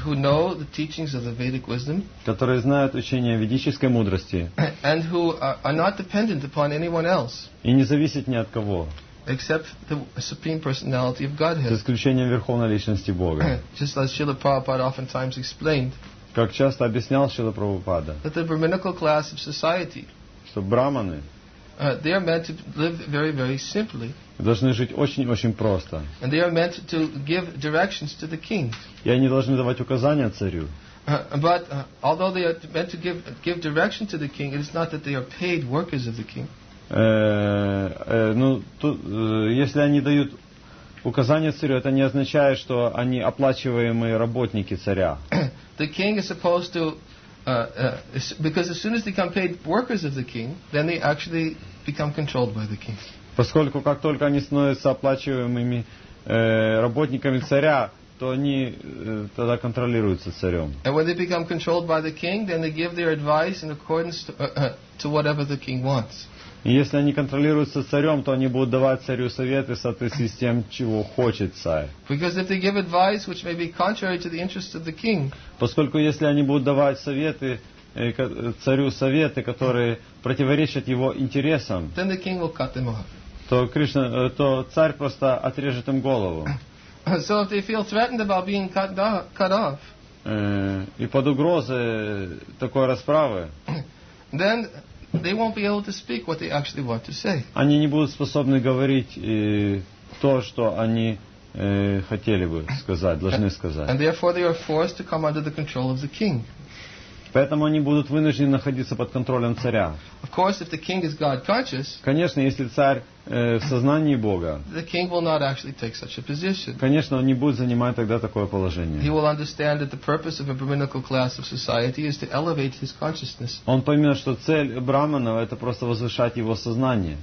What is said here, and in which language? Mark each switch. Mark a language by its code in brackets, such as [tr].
[en] who know the teachings of the Vedic wisdom, [ru] которые знают учение ведической мудрости, [en] and who are not dependent upon anyone else, [ru] и не зависят ни от кого, [en] except the supreme personality of Godhead, [ru] за исключением верховной личности Бога. [en] Just as Srila Prabhupada oftentimes explained, [ru] как часто объяснял Шрила Прабхупада, [en] that the brahminical class of society, [ru] что брахманы, [en] they are meant to live very, very simply. [ru] Должны жить очень-очень просто. [en] And they are meant to give directions to the king. [ru] И они должны давать указания царю. [en] But although they are meant to give direction to the king, it is not that they are paid workers of the king. [ru] Если они дают указания царю, это не означает, что они оплачиваемые работники царя. [en] The king is supposed to because as soon as they become paid workers of the king, then they actually become controlled by the king. [ru] Поскольку как только они становятся оплачиваемыми работниками царя, то они тогда контролируются царем. [en] And when they become controlled by the king, then they give their advice in accordance to whatever the king wants. [ru] И если они контролируются царем, то они будут давать царю советы в соответствии с тем, чего хочет царь. [en] Because if they give advice which may be contrary to the interests of the king. [ru] Поскольку если они будут давать советы царю советы, которые противоречат его интересам, [en] then the king will cut them off. [ru] То царь просто отрежет им голову. [en] So if they feel threatened about being cut off, [ru] и под угрозой такой расправы, [en] then they won't be able to speak what they actually want to say. [ru] Они не будут способны говорить то, что они хотели бы сказать, должны сказать. [en] And therefore they are forced to come under the control of the king. [ru] Поэтому они будут вынуждены находиться под контролем царя. [en] Of course, if the king is God-conscious, [ru] конечно, если царь в сознании Бога, [en] the king will not actually take such a position. [ru] Конечно, он не будет занимать тогда такое положение. [en] He will understand that the purpose of a brahminical class of society is to elevate his consciousness. [ru] Он поймет, что цель брахманов это просто возвышать его сознание.